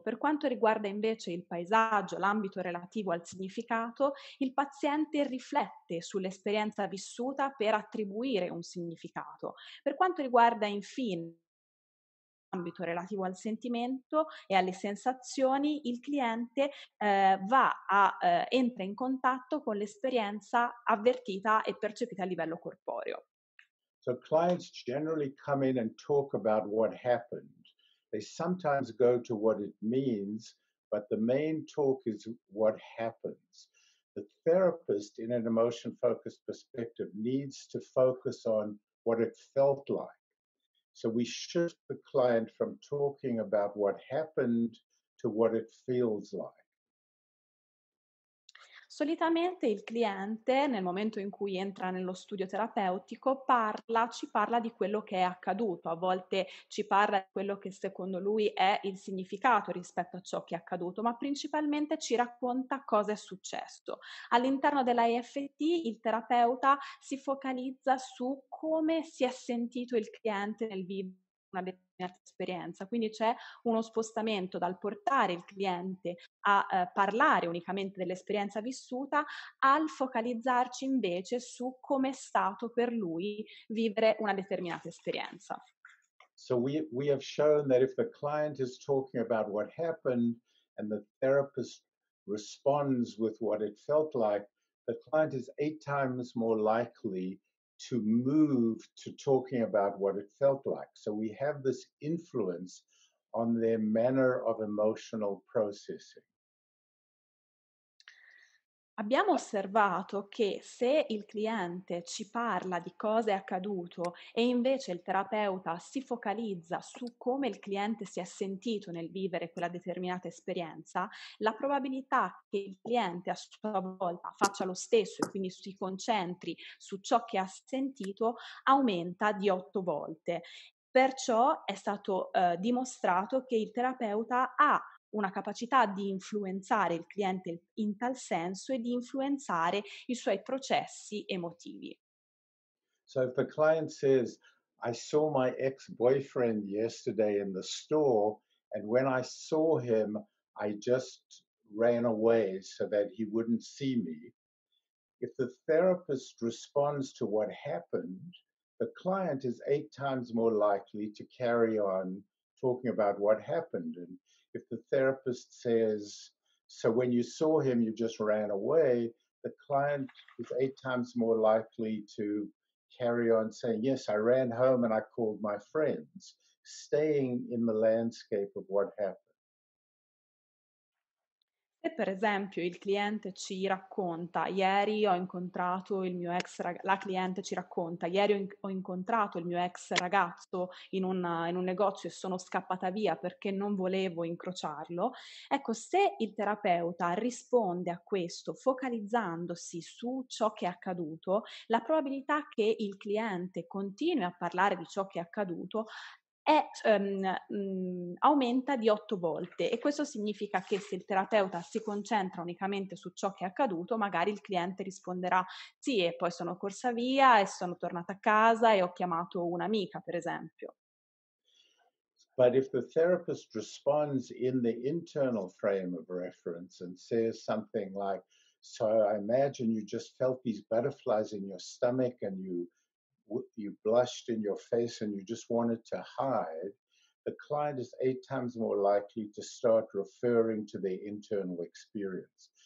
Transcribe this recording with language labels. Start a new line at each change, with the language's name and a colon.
Italian: Per quanto riguarda invece il paesaggio, l'ambito relativo al significato, il paziente riflette sull'esperienza vissuta per attribuire un significato. Per quanto riguarda infine l'ambito relativo al sentimento e alle sensazioni, il cliente entra in contatto con l'esperienza avvertita e percepita a livello corporeo.
English: So clients generally come in and talk about what happened. They sometimes go to what it means, but the main talk is what happens. The therapist in an emotion-focused perspective needs to focus on what it felt like. So we shift the client from talking about what happened to what it feels like.
Italian: Solitamente il cliente, nel momento in cui entra nello studio terapeutico, parla, ci parla di quello che è accaduto, a volte ci parla di quello che secondo lui è il significato rispetto a ciò che è accaduto, ma principalmente ci racconta cosa è successo. All'interno della EFT il terapeuta si focalizza su come si è sentito il cliente nel vivo una determinata esperienza, quindi c'è uno spostamento dal portare il cliente a parlare unicamente dell'esperienza vissuta al focalizzarci invece su come è stato per lui vivere una determinata esperienza.
English: So we have shown that if the client is talking about what happened and the therapist responds with what it felt like, the client is 8 times more likely to move to talking about what it felt like. So we have this influence on their manner of emotional processing.
Italian: Abbiamo osservato che se il cliente ci parla di cosa è accaduto e invece il terapeuta si focalizza su come il cliente si è sentito nel vivere quella determinata esperienza, la probabilità che il cliente a sua volta faccia lo stesso e quindi si concentri su ciò che ha sentito aumenta di 8 volte. Perciò è stato dimostrato che il terapeuta ha una capacità di influenzare il cliente in tal senso e di influenzare i suoi processi emotivi.
English: So if the client says, I saw my ex-boyfriend yesterday in the store, and when I saw him, I just ran away so that he wouldn't see me. If the therapist responds to what happened, the client is 8 times more likely to carry on talking about what happened. And if the therapist says, so when you saw him, you just ran away, the client is 8 times more likely to carry on saying, yes, I ran home and I called my friends, staying in the landscape of what happened.
Italian: Se per esempio il cliente ci racconta, ieri ho incontrato il mio ex ragazzo, la cliente ci racconta, ieri ho incontrato il mio ex ragazzo in un negozio e sono scappata via perché non volevo incrociarlo, ecco, se il terapeuta risponde a questo focalizzandosi su ciò che è accaduto, la probabilità che il cliente continui a parlare di ciò che è accaduto aumenta di 8 volte, e questo significa che se il terapeuta si concentra unicamente su ciò che è accaduto, magari il cliente risponderà sì e poi sono corsa via e sono tornata a casa e ho chiamato un'amica, per esempio.
English: But if the therapist responds in the internal frame of reference and says something like, so I imagine you just felt these butterflies in your stomach and you blushed in your face and you just wanted to hide, the client is 8 times more likely to start referring to their internal experience.